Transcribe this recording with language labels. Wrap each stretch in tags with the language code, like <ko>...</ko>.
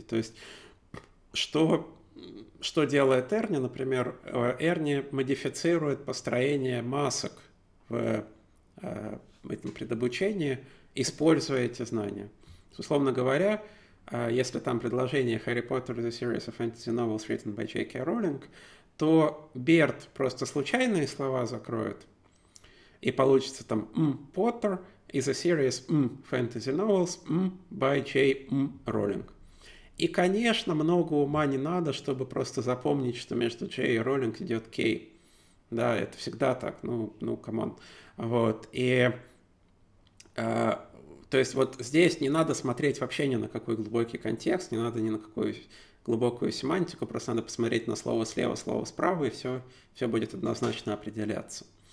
<ru>То есть, что делает Ernie, например, Ernie модифицирует построение масок в этом предобучении, используя эти знания. Условно говоря, если там предложение</ru> <en>«Harry Potter is a series of fantasy novels written by J.K.</en> <ru>Rowling», то BERT просто случайные слова закроет, и получится там</ru> <en>«Potter is a series fantasy novels by J. Rowling».</en> <ru>И, конечно, много ума не надо, чтобы просто запомнить, что между J и Rowling идет K. Да, это всегда так, ну, камон. Вот, и... То есть вот здесь не надо смотреть вообще ни на какой глубокий контекст, не надо ни на какую глубокую семантику, просто надо посмотреть на слово слева, слово справа, и все будет однозначно определяться.</ru>